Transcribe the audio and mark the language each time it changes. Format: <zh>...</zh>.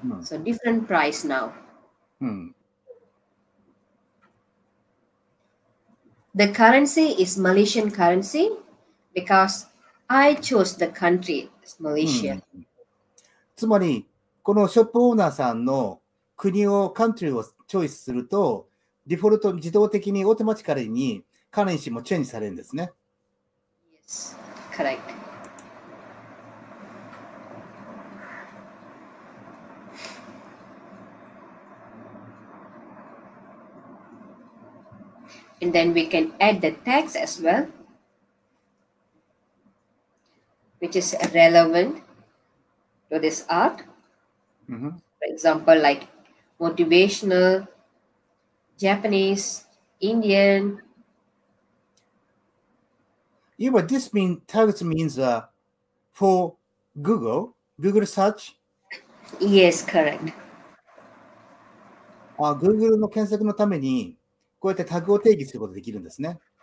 <en>So different price now. The currency is Malaysian currency because I chose the country is Malaysia.</en> <ja>つまりこのショップオーナーさんの国を country をチョイスするとデフォルト自動的にオートマチカリにカレンシーもチェンジされるんですね。</ja> <en>Yes, correct. And then we can add the text as well, which is relevant to this art. For example, like motivational, Japanese, Indian. Yeah, but this mean text means for Google search? Yes, correct.</en> <ja>Google の検索のためにこうやってタグを定義することができるんですね。</ja>